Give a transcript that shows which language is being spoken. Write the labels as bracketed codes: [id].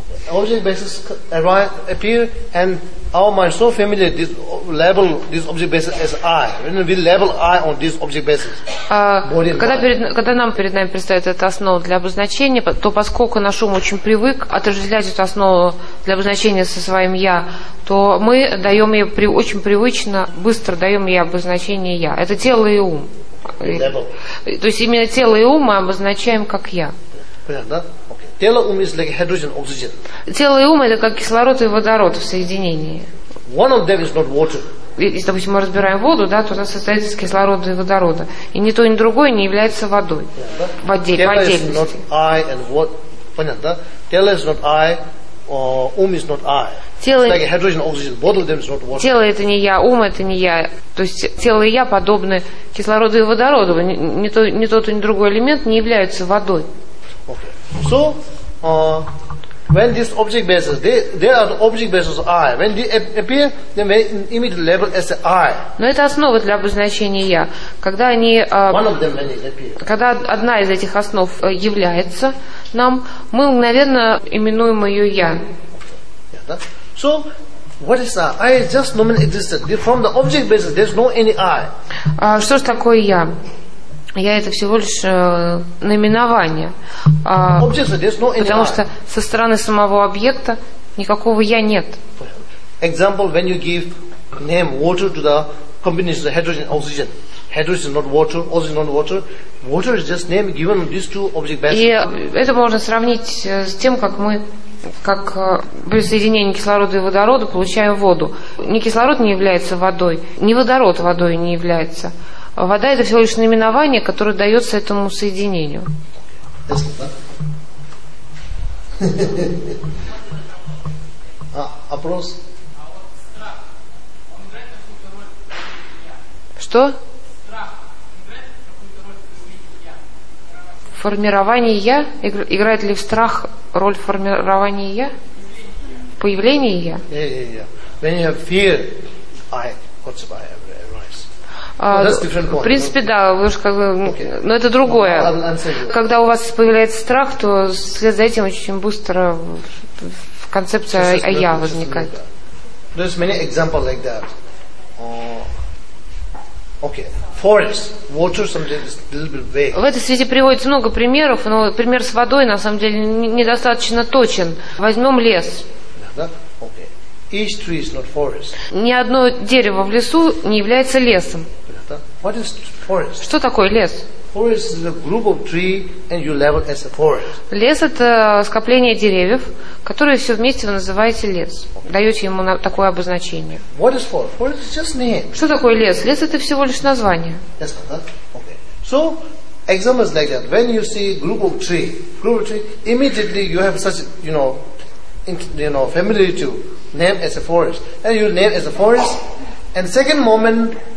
[en] Object basis appear and our mind so familiar this label this object basis as I. When we label I on this object basis. [ru] Когда нам перед нами представят эту основу для обозначения, то поскольку наш ум очень привык отождествлять эту основу для обозначения со своим я, то мы даем ей очень привычно, быстро даем ей обозначение я. Это тело и ум. То есть именно тело и ум мы обозначаем как я. Тело ум [en] is like hydrogen, oxygen. [ru] Тело и ум это как кислород и водород в соединении. [en] One of them is not water. [ru] Если, допустим, мы разбираем воду, да, то она состоит из кислорода и водорода. И ни то, ни другое не является водой. [en] Yeah, [ru] в отдельности. [en] Тело is not I and what? [ru] Понятно, да? [en] Тело is not I, ум is not I. [ru] Тело [en] it's like hydrogen, oxygen. Both of them is not water. [ru] Тело это не я, ум это не я. То есть тело и я подобны кислороду и водороду. Ни тот, ни другой элемент не являются водой. [en] So, when this object basis, they are the object basis of I. When they appear, then they immediately label as I. [ru] Но это основа для обозначения я. Когда они, [en] one of them when it appears. [ru] Когда одна из этих основ является нам, мы мгновенно именуем ее я. [en] So, what is I? I is just nominal existence. From the object basis, there's no any I. [ru] Что ж такое я? Я это всего лишь наименование. Потому что со стороны самого объекта никакого я нет. [en] Example, when you give name water to the combination of hydrogen oxygen. Hydrogen is not water, oxygen is not water. Water is just name given on these two object bases. [ru] И это можно сравнить с тем, как при соединении кислорода и водорода получаем воду. Ни кислород не является водой, ни водород водой не является. Вода – это всего лишь наименование, которое дается этому соединению. Опрос? Что? Формирование «я»? Играет ли в страх роль формирования «я»? Появление «я»? [en] When you have fear, I, what's about it? [ru] В принципе, да, вы же как бы, но это другое. Когда у вас появляется страх, то вслед за этим очень быстро концепция о я возникает. [en] There's many examples like that. Okay, forest, water, something is a little bit vague. [ru] В этой связи приводится много примеров, но пример с водой на самом деле недостаточно точен. Возьмем лес. [en] Okay. Each tree is not forest. [ru] Ни одно дерево в лесу не является лесом. [en] What is forest? [ru] Что такое лес? [en] Forest is a group of trees, and you label as a forest. [ru] Лес это скопление деревьев, которые все вместе вы называете лес, даете ему такое обозначение. [en] What is forest? Forest is just name. [ru] Что такое лес? Лес это всего лишь название. [en] Yes, okay. So examples like that. When you see group of trees, immediately you have such, you know, familiarity to name as a forest, and you name as a forest, and second moment.